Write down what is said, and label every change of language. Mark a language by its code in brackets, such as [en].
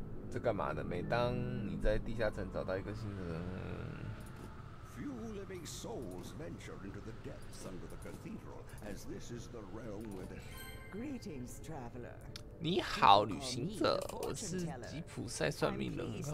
[zh] 这干嘛的？每当你在地下城找到一个新的人。 [en] Living souls venture into the depths under the cathedral, as this is the realm where the. Greetings, traveler. [zh] 你好，旅行者，我是吉普赛算命人。